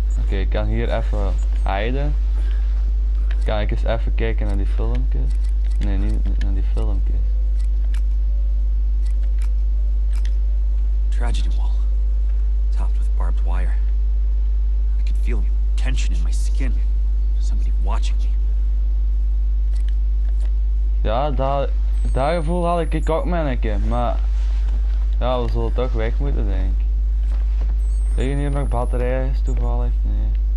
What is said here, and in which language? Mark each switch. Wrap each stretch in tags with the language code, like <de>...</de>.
<nl>Ik kan hier even hiden. Kan ik eens even kijken naar die filmpjes? Nee, niet naar die filmpjes.</nl> <en>tragedy wall, topped with barbed wire. I could feel tension in my skin. Somebody watching me.</en> <nl>Ja, dat gevoel had ik ook manneke, maar ja, we zullen toch weg moeten, denk ik. Liggen hier nog batterijen toevallig? Nee.</nl>